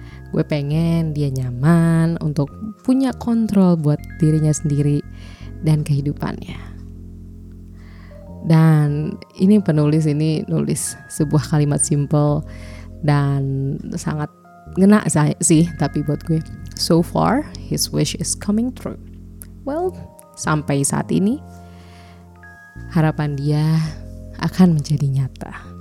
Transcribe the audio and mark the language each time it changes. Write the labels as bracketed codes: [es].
[id] Gue pengen dia nyaman untuk punya kontrol buat dirinya sendiri dan kehidupannya. Dan ini penulis ini nulis sebuah kalimat simple dan sangat ngena sih tapi buat gue. [en] So far, his wish is coming true. [id] Well, sampai saat ini, harapan dia akan menjadi nyata.